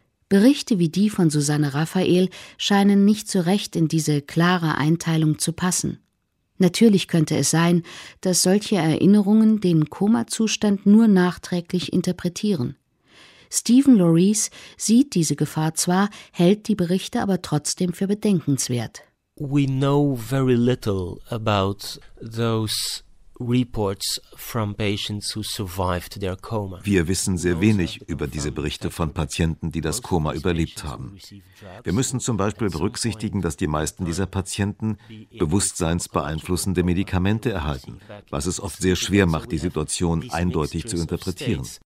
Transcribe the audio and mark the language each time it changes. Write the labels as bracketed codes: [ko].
[de] Berichte wie die von Susanne Raphael scheinen nicht so recht in diese klare Einteilung zu passen. Natürlich könnte es sein, dass solche Erinnerungen den Koma-Zustand nur nachträglich interpretieren. Stephen Lorries sieht diese Gefahr zwar, hält die Berichte aber trotzdem für bedenkenswert. [en] We know very little about those reports from patients who survived their coma. [de] Wir wissen sehr wenig über diese Berichte von Patienten, die das Koma überlebt haben. Wir müssen zum Beispiel berücksichtigen, dass die meisten dieser Patienten bewusstseinsbeeinflussende Medikamente erhalten, was es oft sehr schwer macht, die Situation eindeutig zu interpretieren.